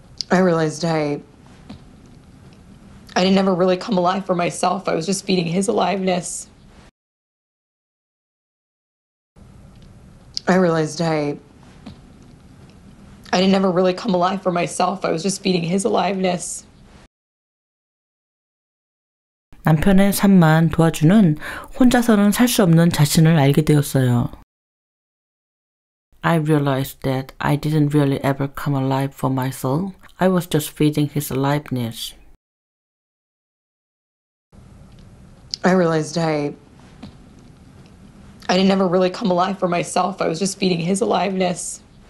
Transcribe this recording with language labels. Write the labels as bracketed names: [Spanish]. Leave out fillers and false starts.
[English] I realized I didn't ever really come alive for myself. I was just feeding his aliveness. I didn't ever really come alive for myself. I was just feeding his aliveness. [Korean] 남편의 삶만 도와주는 혼자서는 살 수 없는 자신을 알게 되었어요. [English] I realized that I didn't really ever come alive for myself. I was just feeding his aliveness. I didn't ever really come alive for myself. I was just feeding his aliveness.